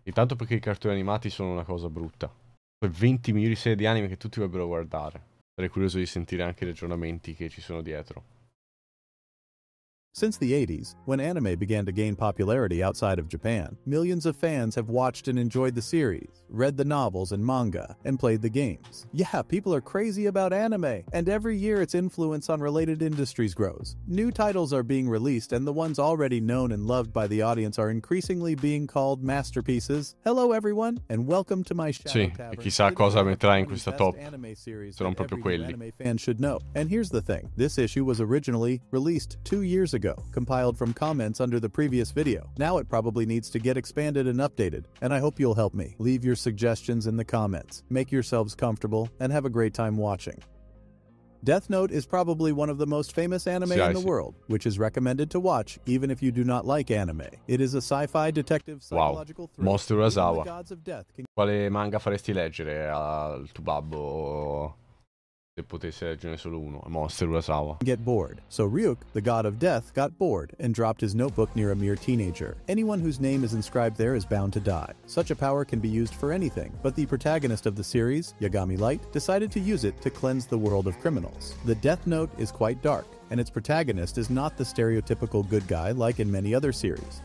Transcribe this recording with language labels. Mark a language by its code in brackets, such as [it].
[it] Intanto perché i cartoni animati sono una cosa brutta. Poi 20 milioni di serie di anime che tutti dovrebbero guardare. Sarei curioso di sentire anche gli aggiornamenti che ci sono dietro. [en] Since the 80s, when anime began to gain popularity outside of Japan, millions of fans have watched and enjoyed the series, read the novels and manga, and played the games. Yeah, people are crazy about anime, and every year its influence on related industries grows. New titles are being released, and the ones already known and loved by the audience are increasingly being called masterpieces. Hello everyone, and welcome to my Shadow Tavern. [it] Sì, chissà cosa metterà in questa top. Sono proprio quelli. [en] Anime fan should know. And here's the thing, this issue was originally released 2 years ago, compiled from comments under the previous video. Now it probably needs to get expanded and updated, and I hope you'll help me. Leave your suggestions in the comments. Make yourselves comfortable and have a great time watching. Death Note is probably one of the most famous anime in the world, which is recommended to watch even if you do not like anime. It is a sci-fi detective psychological thriller. Wow. [it] Mostro Quale manga faresti leggere al tuo babbo? Se potesse leggere solo uno, Monster Urasawa. [en] Get bored. So Ryuk, the god of death, got bored and dropped his notebook near a mere teenager. Anyone whose name is inscribed there is bound to die. Such a power can be used for anything, but the protagonist of the series, Yagami Light, decided to use it to cleanse the world of criminals. The Death Note is quite dark, and its protagonist is not the stereotypical good guy like in many other series.